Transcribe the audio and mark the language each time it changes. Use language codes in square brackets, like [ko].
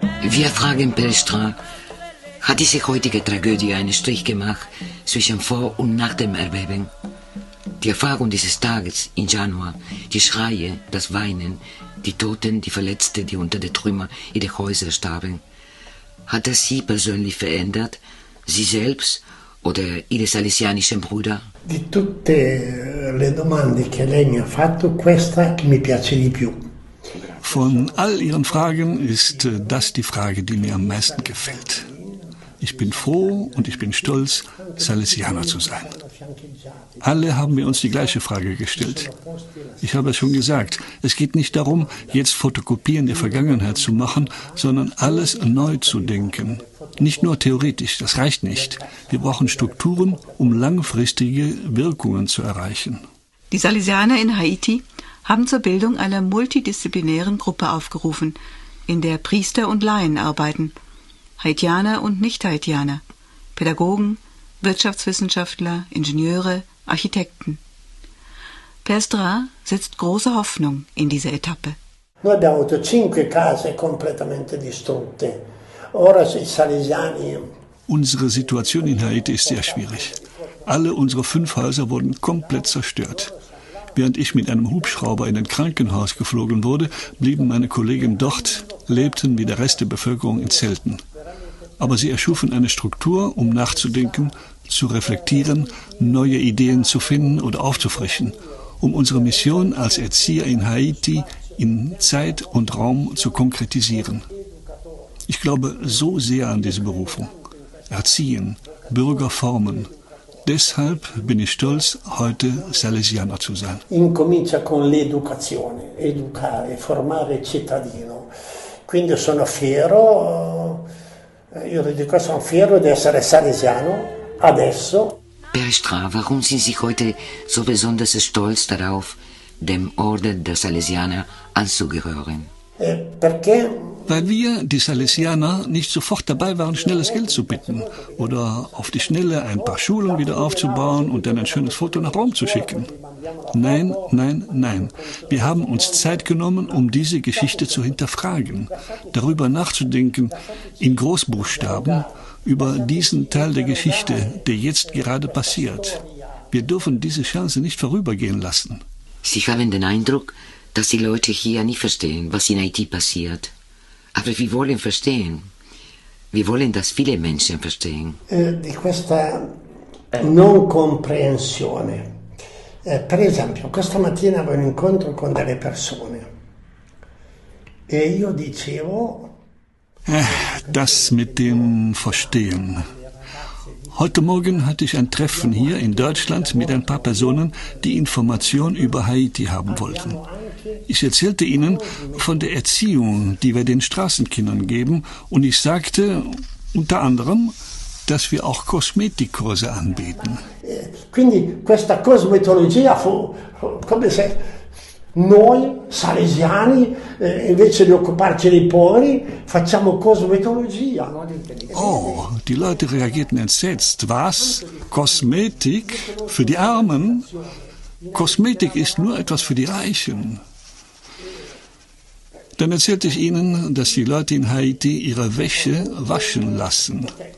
[de] Wir fragen Pelstra, hat diese heutige Tragödie einen Strich gemacht zwischen vor und nach dem Erbeben? Die Erfahrung dieses Tages im Januar, die Schreie, das Weinen, die Toten, die Verletzten, die unter den Trümmern ihrer Häuser starben, hat das Sie persönlich verändert, Sie selbst oder Ihre salesianischen Brüder? [it] Di tutte le domande che lei mi ha fatto, questa mi piace di più. [de] Von all Ihren Fragen ist das die Frage, die mir am meisten gefällt. Ich bin froh und ich bin stolz, Salesianer zu sein. Alle haben wir uns die gleiche Frage gestellt. Ich habe es schon gesagt, es geht nicht darum, jetzt Fotokopien der Vergangenheit zu machen, sondern alles neu zu denken. Nicht nur theoretisch, das reicht nicht. Wir brauchen Strukturen, um langfristige Wirkungen zu erreichen. Die Salesianer in Haiti haben zur Bildung einer multidisziplinären Gruppe aufgerufen, in der Priester und Laien arbeiten. Haitianer und Nicht-Haitianer, Pädagogen, Wirtschaftswissenschaftler, Ingenieure, Architekten. Pelstra setzt große Hoffnung in diese Etappe. [it] Noi abbiamo avuto cinque case completamente distrutte. Ora i Salesiani. [de] Unsere Situation in Haiti ist sehr schwierig. Alle unsere 5 Häuser wurden komplett zerstört. Während ich mit einem Hubschrauber in ein Krankenhaus geflogen wurde, blieben meine Kollegen dort, lebten wie der Rest der Bevölkerung in Zelten. Aber sie erschufen eine Struktur, um nachzudenken, zu reflektieren, neue Ideen zu finden oder aufzufrischen, um unsere Mission als Erzieher in Haiti in Zeit und Raum zu konkretisieren. Ich glaube so sehr an diese Berufung. Erziehen, Bürger formen. Deshalb bin ich stolz, heute Salesianer zu sein. [it] Incomincia con l'educazione, educare, formare cittadino. Quindi sono fiero. Io le dico, sono fiero di essere salesiano adesso. [de] Pelstra, warum sind Sie heute so besonders stolz darauf, dem Orden der Salesianer anzugehören? [it] Perché? [de] Weil wir, die Salesianer, nicht sofort dabei waren, schnelles Geld zu bitten oder auf die Schnelle ein paar Schulen wieder aufzubauen und dann ein schönes Foto nach Rom zu schicken. Nein, nein, nein. Wir haben uns Zeit genommen, um diese Geschichte zu hinterfragen, darüber nachzudenken, in Großbuchstaben, über diesen Teil der Geschichte, der jetzt gerade passiert. Wir dürfen diese Chance nicht vorübergehen lassen. Sie haben den Eindruck, dass die Leute hier nicht verstehen, was in Haiti passiert. Aber wir wollen verstehen. Wir wollen, dass viele Menschen verstehen. [it] Di questa non comprensione. Per esempio, questa mattina avevo un incontro con delle persone. E io dicevo. [de] Das mit dem Verstehen. Heute Morgen hatte ich ein Treffen hier in Deutschland mit ein paar Personen, die Informationen über Haiti haben wollten. Ich erzählte ihnen von der Erziehung, die wir den Straßenkindern geben, und ich sagte unter anderem, dass wir auch Kosmetikkurse anbieten. [it] Quindi questa cosmetologia fu come se Noi, salesiani, invece di occuparci dei poveri, facciamo cosmetologia. [de] Oh, die Leute reagierten entsetzt. Was? Kosmetik? Für die Armen? Kosmetik ist nur etwas für die Reichen. Dann erzählte ich ihnen, dass die Leute in Haiti ihre Wäsche waschen lassen.